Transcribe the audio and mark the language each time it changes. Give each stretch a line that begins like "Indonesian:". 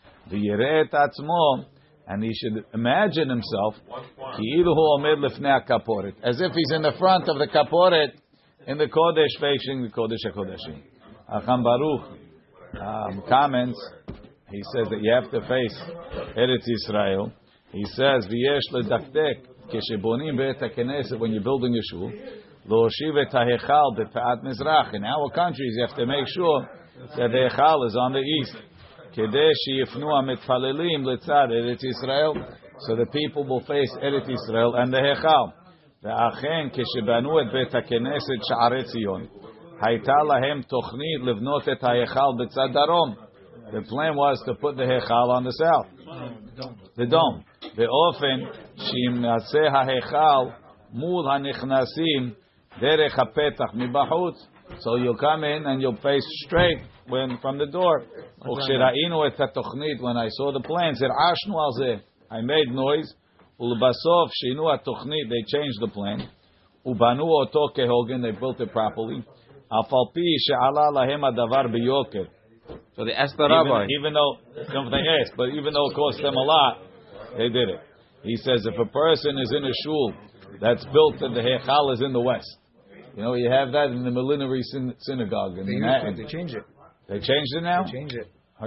Hebrew: V'yireh et atzmo,
English: and he should imagine himself,
Hebrew: ki'ilu hu omed lefnei hakaporet,
English: as if he's in the front of the kaporet, in the Kodesh, facing the Kodesh HaKodeshim. Acham Baruch comments, he says that you have to face Eretz Yisrael. He says,
Hebrew: v'yesh ledakdek, כשבונים בית הכנסת,
English: when you're building a shul,
Hebrew: להושיב את ההיכל בפעת מזרח.
English: In our countries, you have to make sure that the היכל is on the east.
Hebrew: כדי שיפנו המתפללים לצד ארץ ישראל,
English: so the people will face ארץ ישראל and the היכל.
Hebrew: ואכן, כשבנו את בית הכנסת שערי ציון, הייתה להם תוכנית לבנות את ההיכל בצד דרום.
English: The plan was to put the היכל on the south. The dome.
Hebrew: באופן שימצא ההיכל מול הנכנסים דרך הפתח מבחוץ.
English: So you'll come in and you'll face straight when from the door.
Hebrew: וכשראינו את התוכנית,
English: when I saw the plans,
Hebrew: הרעשנו על זה.
English: I made noise.
Hebrew: ולבסוף שינו התוכנית,
English: they changed the plan.
Hebrew: ובנו אותו כהוגן,
English: they built it properly.
Hebrew: אף על פי שעלה להם הדבר ביוקר.
English: So they asked the rabbi. Even though it cost them a lot, they did it. He says, if a person is in a shul that's built and the heichal is in the west, you know, you have that in the millenary synagogue. They changed it. They changed it now? They changed it.